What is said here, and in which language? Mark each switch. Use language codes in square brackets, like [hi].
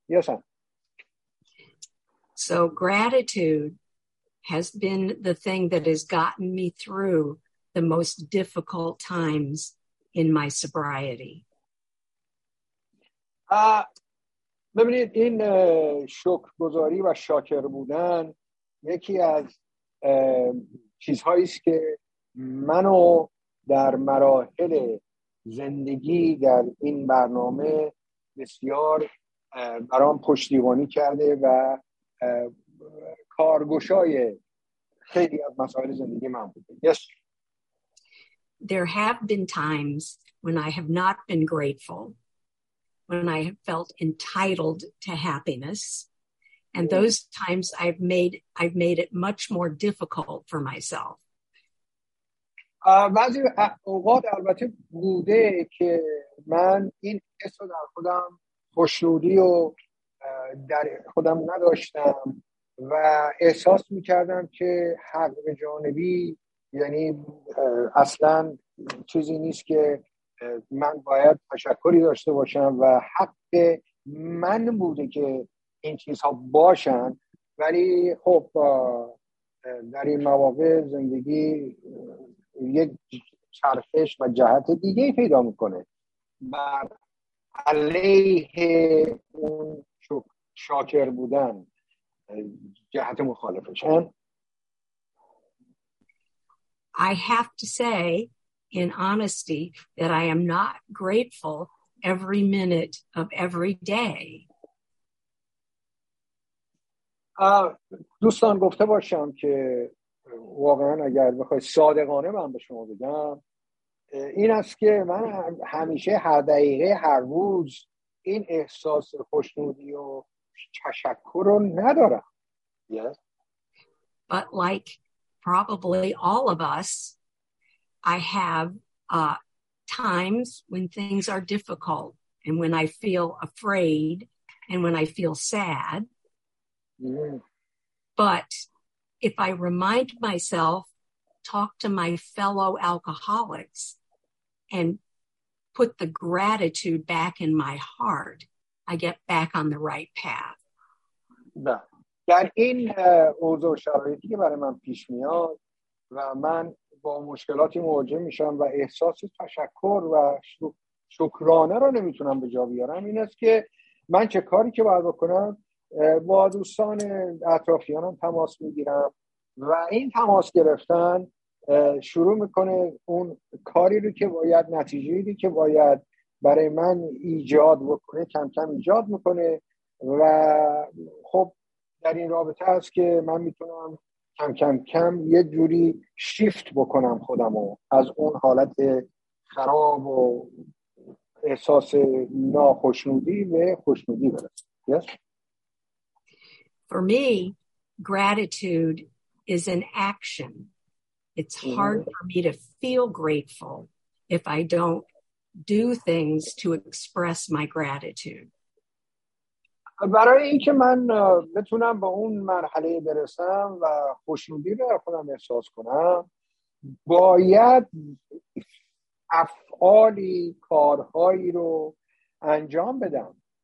[en] یاسم. So gratitude has been the thing that has gotten me through the most difficult times in my sobriety. [fa] ببینید، این شکرگزاری و شاکر بودن یکی از چیزهایی است که منو در مراحل زندگی در این برنامه بسیار برام پشتیبانی کرده و کارگشای خیلی از مسائل زندگی من بوده. [en] Yes. There have been times when I have not been grateful, when I felt entitled to happiness, and those times I've made it much more difficult for myself. [fa] بعضی اوقات البته بوده که من این حس رو در خودم خوشنودی و در خودم نداشتم و احساس میکردم که حق به جانبی، یعنی اصلا چیزی نیست که من باید تشکری داشته باشم و حق من بوده که این چیزها باشن، ولی خب در این مواقع زندگی یک چرخش و جهت دیگه پیدا میکنه بر علیه اون شاکر بودن، جهت مخالفش. [en] I have to say in honesty that I am not grateful every minute of every day. [fa] دوستان گفته باشم که واقعا اگر بخوای صادقانه من به شما بگم، این است که من همیشه هر دقیقه هر روز این احساس خوشنودی و تشکر رو ندارم. [en] Yes. But like probably all of us, I have times when things are difficult and when I feel afraid and when I feel sad. Mm-hmm. But if I remind myself, talk to my fellow alcoholics and put the gratitude back in my heart, I get back on the right path. [fa] در این اوضاع و شرایطی که برای من پیش میاد و من با مشکلاتی مواجه میشم و احساس تشکر و شکرانه را نمیتونم به جا بیارم، این است که من چه کاری که باید بکنم؟ با دوستان اطرافیانم تماس میگیرم و این تماس گرفتن شروع میکنه اون کاری رو که باید، نتیجه‌ای رو که باید برای من ایجاد بکنه، کم کم ایجاد میکنه و خب در این رابطه است که من میتونم کم کم کم یه جوری شیفت بکنم خودمو از اون حالت خراب و احساس ناخشنودی به خوشنودی برسم. [en] Yes. For me, gratitude is an action. It's hard for me to feel grateful if I don't do things to express my gratitude. [fa] برای اینکه من بتونم به اون مرحله برسم و خوشنودی رو در خودم احساس کنم، باید افعالی، کارهایی رو انجام بدم.